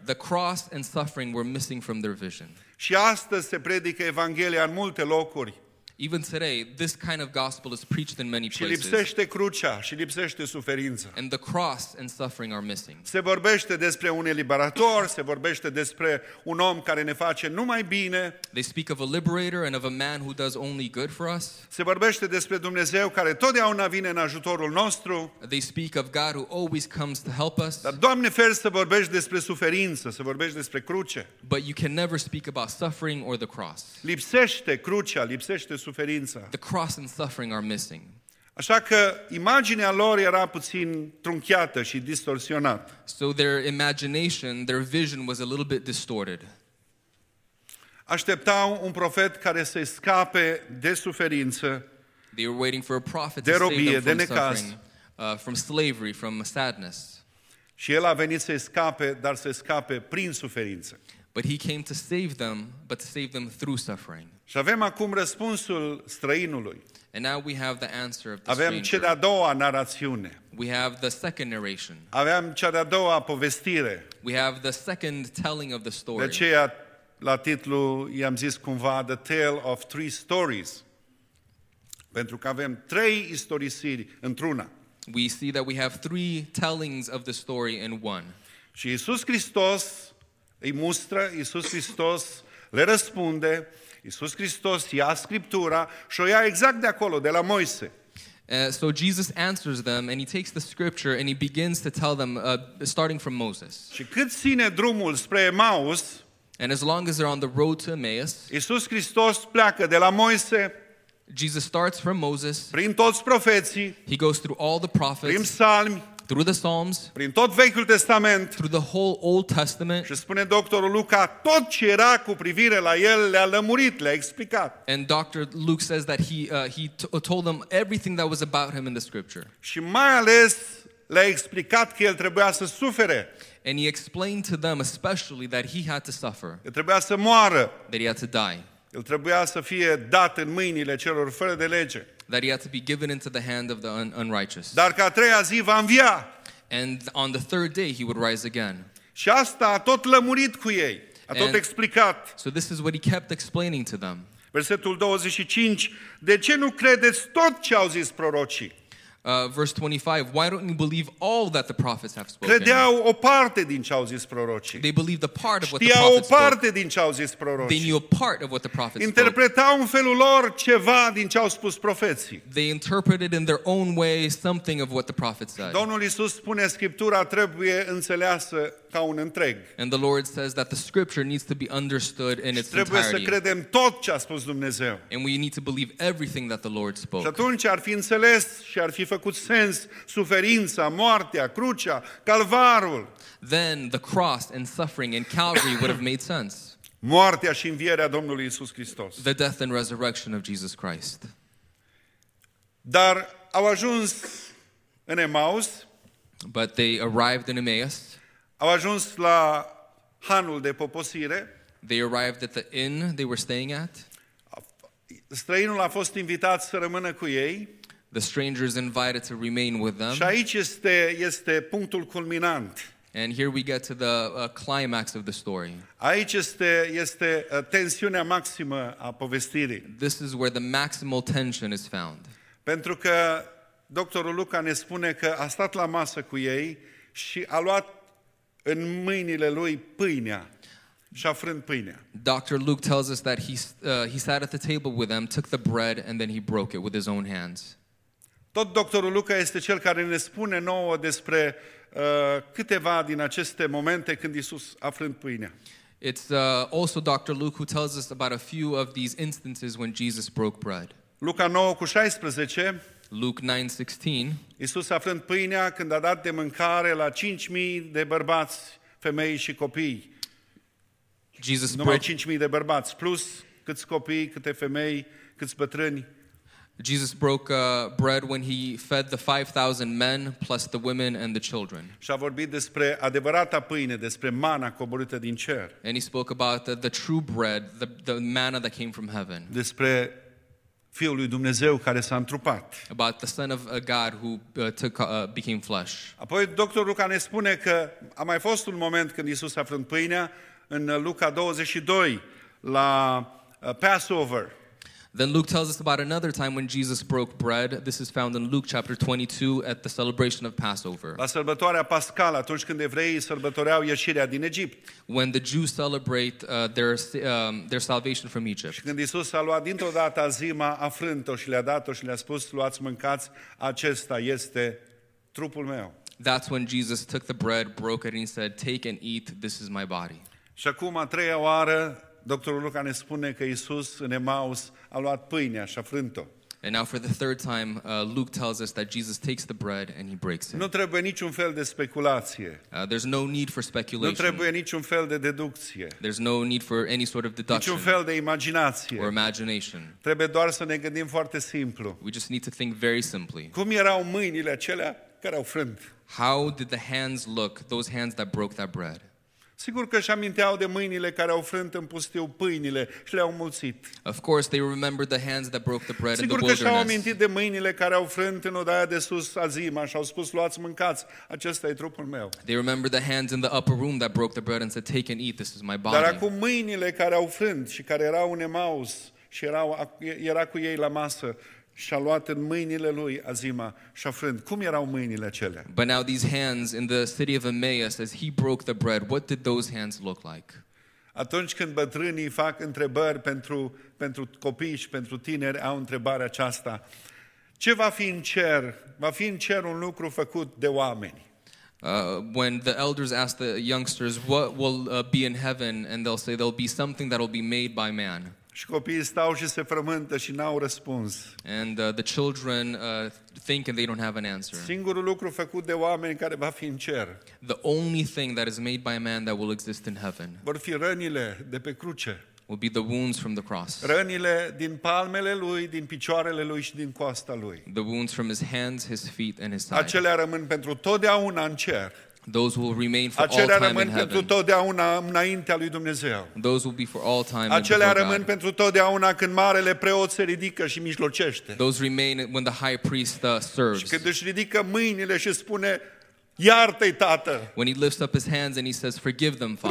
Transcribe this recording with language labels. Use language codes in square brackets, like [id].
[en] The cross and suffering were missing from their vision. [ro] Și astăzi se predică Evanghelia în multe locuri. [en] Even today, this kind of gospel is preached in many places. [ro] Și lipsește crucea, și lipsește suferința. [en] And the cross and suffering are missing. [ro] Se vorbește despre un eliberator, se vorbește despre un om care ne face numai bine. [en] They speak of a liberator and of a man who does only good for us. [ro] Se vorbește despre Dumnezeu care totdeauna vine în ajutorul nostru. [en] They speak of God who always comes to help us. [ro] Dar Doamne ferește să vorbești despre suferință, să vorbești despre cruce. [en] But you can never speak about suffering or the cross. [ro] Lipsește crucea, lipsește suferința. [en] The cross and suffering are missing. [ro] Așa că imaginea lor era puțin trunchiată și distorsionată. [en] So their imagination, their vision was a little bit distorted. [ro] Așteptau un profet care să scape de suferință. [en] They were waiting for a prophet [ro] de [en] to [ro] robie, [en] save them from [ro] necaz, [en] suffering, from slavery, from sadness. [ro] Și el a venit să scape, dar să scape prin suferință. [en] But he came to save them, but to save them through suffering. [ro] Și avem acum răspunsul străinului. [en] And now we have the answer of the stranger. [ro] Avem cea de-a doua narațiune. [en] We have the second narration. [ro] Avem cea de-a doua povestire. [en] We have the second telling of the story. [ro] De aceea, la titlu, i-am zis cumva [en] The Tale of Three Stories. [ro] Pentru că avem trei istorisiri într-una. [en] We see that we have three tellings of the story in one. [ro] Și Iisus Hristos îi mustră, Iisus Hristos le răspunde, Iisus Hristos ia Scriptura și o ia exact de acolo, de la Moise. [en] So Jesus answers them and he takes the Scripture and he begins to tell them, starting from Moses. [ro] Și cât ține drumul spre Emaus, [en] and as long as they're on the road to Emmaus, [ro] Iisus Hristos pleacă de la Moise, [en] Jesus starts from Moses, [ro] prin toți profeții, [en] he goes through all the prophets, [ro] prin psalmi, [en] through the Psalms, [ro] prin tot Vechiul Testament, [en] through the whole Old Testament. [ro] Și spune doctorul Luca, tot ce era cu privire la el le-a lămurit, le-a explicat. [en] And Dr. Luke says that he told them everything that was about him in the Scripture. [ro] Și mai ales le-a explicat că el trebuia să sufere. [en] And he explained to them especially that he had to suffer. [ro] El trebuia să moară. [en] That he had to die. [ro] El trebuia să fie dat în mâinile celor fără de lege. [en] That he had to be given into the hand of the unrighteous. [ro] Dar că a treia zi va învia. [en] And on the third day he would rise again. [ro] Și asta a tot lămurit cu ei. A tot explicat. [en] So this is what he kept explaining to them. [ro] Versetul 25. De ce nu credeți tot ce au zis prorocii? [en] Verse 25. Why don't you believe all that the prophets have spoken? [ro] Credeau o parte din ce au zis prorocii. [en] They believed the part of what the prophets spoke. [ro] Știau o parte din ce au zis prorocii. [en] They knew a part of what the prophets spoke. [ro] Interpretau în felul lor ceva din ce au spus profeții. [en] They interpreted in their own way something of what the prophets said. [ro] Domnul Iisus spune Scriptura trebuie înțeleasă ca un întreg. [en] And the Lord says that the Scripture needs to be understood in its entirety. [ro] Trebuie să credem tot ce a spus Dumnezeu. [en] And we need to believe everything that the Lord spoke. [ro] Și atunci ar fi înțeles și ar fi făcut sens suferința, moartea, crucea, calvarul. [en] Then the cross and suffering and Calvary would have made sense. [ro] Moartea și învierea Domnului Iisus Hristos. [en] The death and resurrection of Jesus Christ. [ro] Dar au ajuns în Emaus. [en] But they arrived in Emmaus. [ro] Au ajuns la hanul de poposire. [en] They arrived at the inn they were staying at. [ro] Străinul a fost invitat să rămână cu ei. [en] The stranger is invited to remain with them. [ro] Și aici este punctul culminant. [en] And here we get to the climax of the story. [ro] Aici este tensiunea maximă a povestirii. [en] This is where the maximal tension is found. [ro] Pentru că doctorul Luca ne spune că a stat la masă cu ei și a luat în mâinile lui pâinea și a frânt pâinea. [en] Dr. Luke tells us that he sat at the table with them, took the bread and then he broke it with his own hands. [ro] Tot doctorul Luca este cel care ne spune nouă despre câteva din aceste momente când Iisus a frânt pâinea. [en] It's also Dr. Luke who tells us about a few of these instances when Jesus broke bread. [ro] Luca 9:16. [en] Luke 9:16. [ro] Iisus a frânt pâinea când a dat de mâncare la 5.000 de bărbați, femei și copii. [en] Jesus [ro] numai 5.000 de bărbați, plus câți copii, câte femei, câți bătrâni. [en] Jesus broke bread when he fed the 5,000 men plus the women and the children. [ro] Și a vorbit despre adevărata pâine, despre mana coborâtă din cer. [en] And he spoke about the true bread, the manna that came from heaven. [ro] Despre Fiul lui Dumnezeu care s-a întrupat. [en] About the Son of God who became flesh. [ro] Apoi Dr. Luca ne spune că a mai fost un moment când Iisus a frânt pâinea în Luca 22 la Passover. [en] Then Luke tells us about another time when Jesus broke bread. This is found in Luke chapter 22 at the celebration of Passover. [ro] La sărbătoarea pascală, atunci când evreii sărbătoreau ieșirea din Egipt. [en] When the Jews celebrate their salvation from Egypt. [ro] Și când Iisus a luat dintr-o dată azima, a frânt-o și le-a dat-o și le-a spus, luați, mâncați, acesta este trupul meu. [en] That's when Jesus took the bread, broke it and he said, take and eat, this is my body. [ro] Și acum a treia oară, doctorul Luca ne spune că Iisus în Emaus a luat pâinea și a frânt-o. [en] And now for the third time, Luke tells us that Jesus takes the bread and he breaks it. [ro] Nu trebuie niciun fel de speculație. [en] There's no need for speculation. [ro] Nu trebuie niciun fel de deducție. [en] There's no need for any sort of deduction. [ro] Niciun fel de imaginație. [en] Or imagination. [ro] Trebuie doar să ne gândim foarte simplu. [en] We just need to think very simply. [ro] Cum erau mâinile acelea care au frânt? [en] How did the hands look, those hands that broke that bread? [ro] Sigur că își aminteau de mâinile care au frânt în pustiu pâinile și le-au mulțit. [en] Of course they remembered the hands that broke the bread in the wilderness. [ro] Sigur că și-au amintit de mâinile care au frânt în odaia de sus azima și au spus: luați, mâncați, acesta e trupul meu. [en] They remembered the hands in the upper room that broke the bread and said: take and eat, this is my body. [ro] Dar acum mâinile care au frânt și care erau în Emaus și era cu ei la masă și a luat în mâinile lui azima și a frânt. Cum erau mâinile acelea? [en] But now these hands in the city of Emmaus, as he broke the bread, what did those hands look like? [ro] Atunci când bătrânii fac întrebări pentru copii și pentru tineri, au întrebarea aceasta: ce va fi în cer? Va fi în cer un lucru făcut de oameni? [en] When the elders ask the youngsters what will be in heaven, and they'll say there'll be something that will be made by man. [ro] Și copiii stau și se frământă și n-au răspuns. [en] And the children think and they don't have an answer. [ro] Singurul lucru făcut de oameni care va fi în cer. [en] The only thing that is made by a man that will exist in heaven. [ro] Vor fi rănile de pe cruce. [en] Will be the wounds from the cross. [ro] Rănile din palmele lui, din picioarele lui și din coasta lui. [en] The wounds from his hands, his feet and his side. [ro] Acelea rămân pentru totdeauna în cer. [en] Those will remain for [ro] acelea [en] all time in heaven. [ro] Totdeauna înaintea lui Dumnezeu. [en] Those will be for all time. [ro] Acelea rămân pentru totdeauna când marele preot se ridică și mijlocește. [en] Those remain when the high priest serves. [ro] Și când își ridică mâinile și spune: iartă-i, Tată. [en] When he lifts up his hands and he says, forgive them, Father.